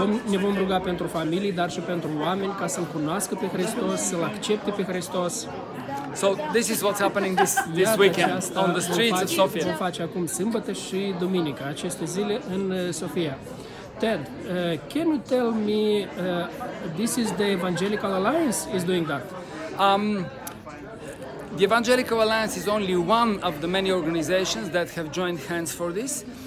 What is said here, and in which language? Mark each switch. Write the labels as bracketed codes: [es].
[ro] Ne vom ruga pentru familie, dar și pentru oameni ca să-L cunoască pe Hristos, să-L accepte pe Hristos. [en] So this is what's happening this weekend on the streets of Sofia. [ro] Vom face acum sâmbătă și duminică, aceste zile în Sofia. [en] Ted, can you tell me, this is the Evangelical Alliance is doing that? The Evangelical Alliance is only one of the many organizations that have joined hands for this.